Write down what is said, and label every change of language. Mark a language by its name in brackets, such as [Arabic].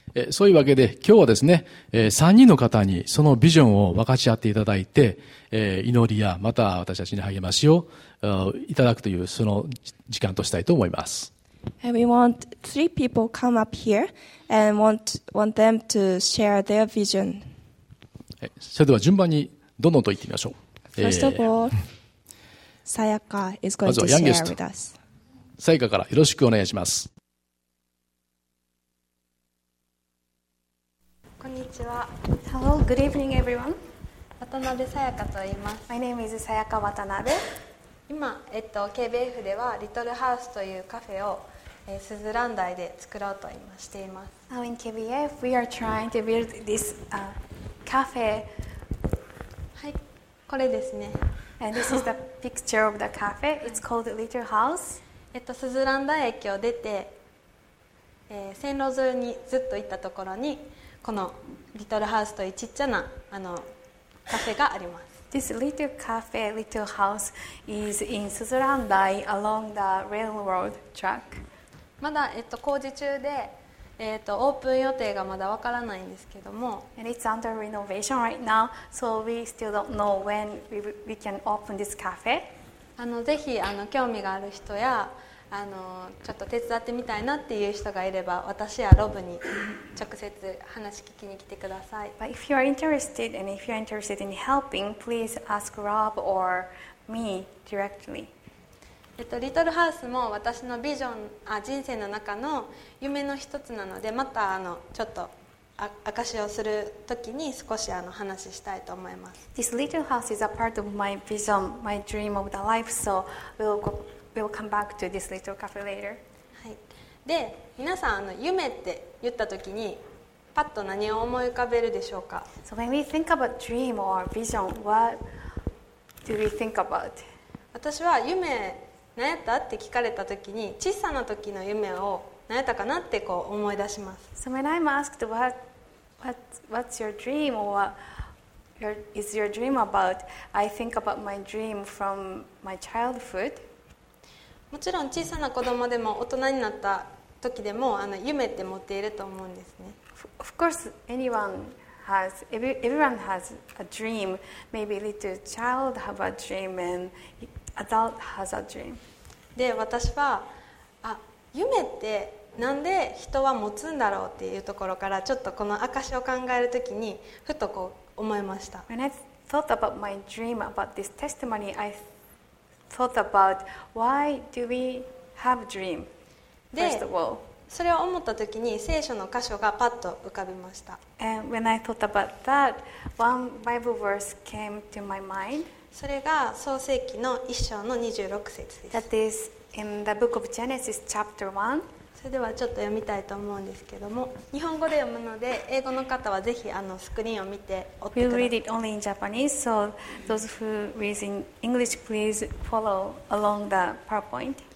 [Japanese] そういうわけで今日はですね、3人の方にそのビジョンを分かち合っていただいて、祈りやまた私たちに励ましをいただくというその時間としたいと思います。 [English] And we want three people come up here and want them to share their vision. [Japanese] それでは順番にどんどんと言ってみましょう。 [English] First of all,サヤカ is going to share with us. [Japanese] サヤカからよろしくお願いします。こんにちは。 [English] Hello, good evening, everyone. [Japanese] 渡辺さやかと言います。 [English] My name is さやか渡辺。 [Japanese] 今、KBF ではリトルハウスというカフェを、スズラン台で作ろうと今しています。 [English] Now in KBF, we are trying to build this cafe. [Japanese] はい、これですね。 [English] And this is the picture of the cafe. It's called Little House. [Japanese] スズランダ駅を出て、線路沿いにずっと行ったところにこのリトルハウスというちっちゃなあのカフェがあります。 [English] This little cafe, Little House, is in Suzurandai along the railroad track. [Japanese] まだ工事中で、オープン予定がまだわからないんですけども、 [English] And it's under renovation right now, so we still don't know when we can open this cafe. [Japanese] ぜひ興味がある人やちょっと手伝ってみたいなっていう人がいれば、私やロブに直接話聞きに来てください。 [English] But if you are interested and if you are interested in helping, please ask Rob or me directly. [Japanese] リトルハウスも私のビジョン、人生の中の夢の一つなので、またちょっと証しをするときに少し話したいと思います。 [English] This little house is a part of my vision, my dream of the life, so we'll come back to this little cafe later. [Japanese] はい。で、皆さん夢って言ったときにパッと何を思い浮かべるでしょうか？ [English] So when we think about dream or vision, what do we think about? [Japanese] 私は夢何やったって聞かれた時に、小さな時の夢を何やったかなってこう思い出します。 [English] So when I'm asked what's your dream or is your dream about, I think about my dream from my childhood. [Japanese] もちろん小さな子供でも大人になった時でも夢って持っていると思うんですね。 [English] Of course everyone has a dream. Maybe little child have a dream andAdult has a dream. [Japanese] で、私は夢ってなんで人は持つんだろうっていうところから、ちょっとこの証を考えるときにふとこう思いました。 [English] When I thought about my dream, about this testimony, I thought about why do we have dream, first of all. [Japanese] それを思った時に聖書の箇所がパッと浮かびました。 [English] And when I thought about that, one Bible verse came to my mind. [Japanese] それが創世記の1章の26節です。 [English] That is in the book of Genesis chapter 1. [Japanese] それではちょっと読みたいと思うんですけども、日本語で読むので英語の方はぜひスクリーンを見て追ってください。 [English] We'll read it only in Japanese, so those who read in English, please follow along the PowerPoint.